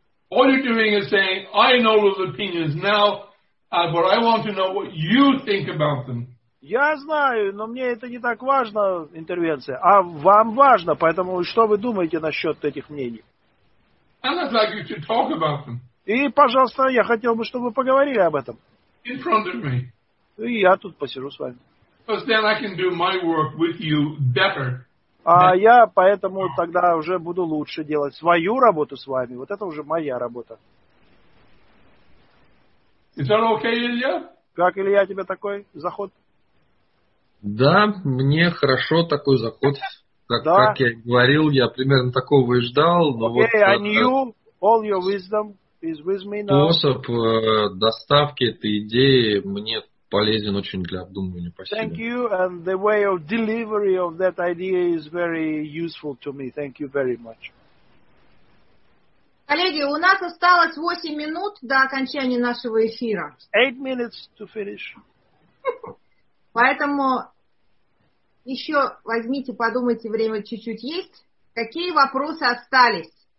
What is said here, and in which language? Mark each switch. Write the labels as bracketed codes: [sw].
[en] All you're doing is saying, I know those opinions now, but I want to know what you think about them. [ru] Я знаю, но мне это не так важно, интервенция. А вам важно, поэтому что вы думаете насчет этих мнений? [en] I'd not like you to talk about them. [ru] И, пожалуйста, я хотел бы, чтобы вы поговорили об этом. [en] In front of me. [ru] И я тут посижу с вами. [en] Because then I can do my work with you better. [ru] А я поэтому тогда уже буду лучше делать свою работу с вами. Вот это уже моя работа. [en] Is that okay, Илья? [ru] Как, Илья, тебе такой заход? Да, мне хорошо такой заход. Как, да? Как я и говорил, я примерно такого и ждал. Но [en] okay, [ru] вот, [en] and you, all your wisdom is with me now. [ru] Способ доставки этой идеи мне полезен очень для обдумывания. Спасибо. [en] Thank you, and the way of delivery of that idea is very useful to me. Thank you very much. [ru] Коллеги, у нас осталось 8 минут до окончания нашего эфира. [en] 8 minutes to finish. [ru] Поэтому еще возьмите, подумайте, время чуть-чуть есть. Какие вопросы остались?